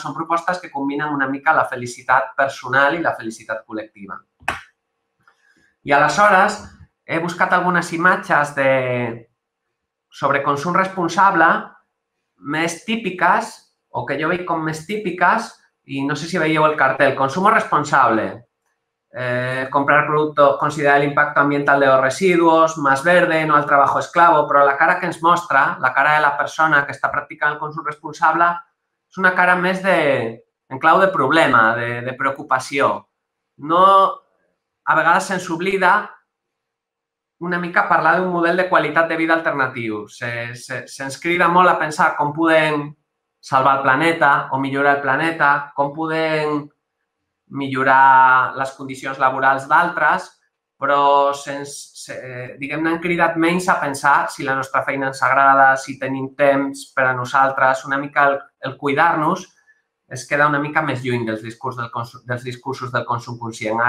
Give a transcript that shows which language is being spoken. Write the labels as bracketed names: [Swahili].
[Catalan] Són propostes que combinen una mica la felicitat personal i la felicitat col·lectiva. I aleshores, he buscat algunes imatges de... sobre consum responsable més típiques, o que jo veig com més típiques, i no sé si veieu el cartel, consumo responsable. [Spanish] Comprar producto, considerar el impacto ambiental de los residuos, más verde, no al trabajo esclavo, pero la cara que nos muestra, la cara de la persona que está practicando el consumo responsable, es una cara más de, en clave de problema, de preocupación. No, a veces se nos olvida [Catalan] una mica [Spanish] hablar de un modelo de calidad de vida alternativo. Se nos crida mucho a pensar cómo pueden salvar el planeta o mejorar el planeta, cómo pueden... [Catalan] millorar les condicions laborals d'altres, però diguem-ne, han cridat menys a pensar si la nostra feina ens agrada, si tenim temps per a nosaltres, una mica el cuidar-nos es queda una mica més lluny dels discursos del consum conscient.